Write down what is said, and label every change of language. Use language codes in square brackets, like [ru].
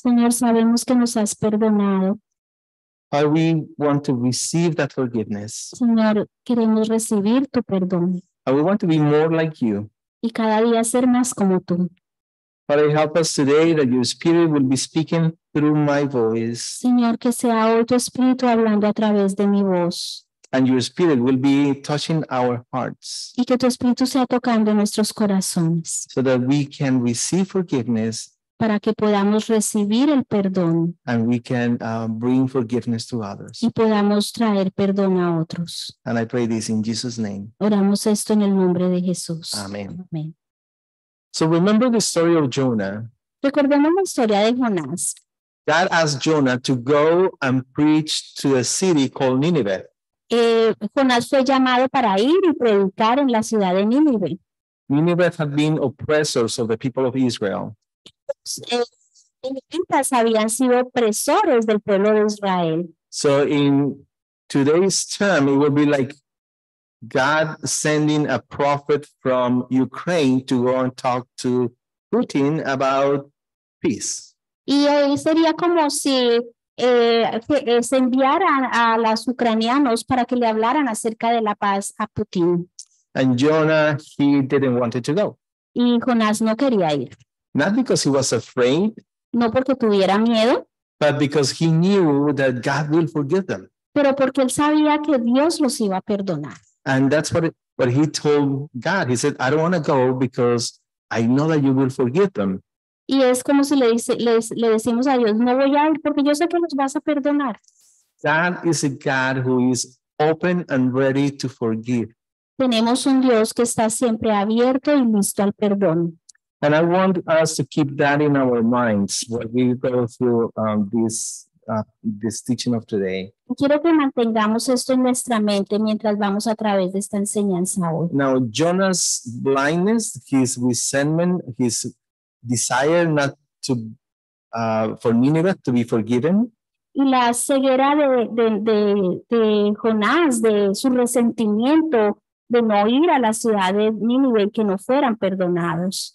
[es] Señor, sabemos que nos has perdonado. [en] Father, we want to receive that forgiveness. [es] Señor, queremos recibir tu perdón. [en] And we want to be more like you. [es] Y cada día ser más como tú. [en] Father, help us today that your spirit will be speaking through my voice. [es] Señor, que sea hoy tu espíritu hablando a través de mi voz. [en] And your spirit will be touching our hearts. [es] Y que tu espíritu sea tocando nuestros corazones. [en] So that we can receive forgiveness. [es] Para que podamos recibir el perdón. [en] And we can bring forgiveness to others. [es] Y podamos traer perdón a otros. [en] And I pray this in Jesus' name. [es] Oramos esto en el nombre de Jesús. [en] Amen. [es] Amen. [en] So remember the story of Jonah. [es] Recordemos la historia de Jonás. [en] God asked Jonah to go and preach to a city called Nineveh. [es] Jonás fue llamado para ir y predicar en la ciudad de Nínive. [en] Nineveh had been oppressors of the people of Israel. [es] Ninivitas habían sido opresores del pueblo de Israel. [en] So in today's term, it would be like God sending a prophet from Ukraine to go and talk to Putin about peace. [es] Y sería como si se enviaran a los ucranianos para que le hablaran acerca de la paz a Putin. [en] And Jonah, he didn't want it to go. [es] Y Jonás no quería ir. [en] Not because he was afraid. [es] No porque tuviera miedo. [en] But because he knew that God will forgive them. [es] Pero porque él sabía que Dios los iba a perdonar. [en] And that's what he told God. He said, I don't want to go because I know that you will forgive them. [es] Y es como si le decimos a Dios, no voy a ir porque yo sé que los vas a perdonar. [en] God is a God who is open and ready to forgive. [es] Tenemos un Dios que está siempre abierto y listo al perdón. [en] And I want us to keep that in our minds when we go through this teaching of today. [es] Quiero que mantengamos esto en nuestra mente mientras vamos a través de esta enseñanza hoy. [en] Now, Jonah's blindness, his resentment, his desire not to for Nineveh to be forgiven. [es] Y la ceguera de Jonás, de su resentimiento de no ir a la ciudad de Nineveh que no fueran perdonados.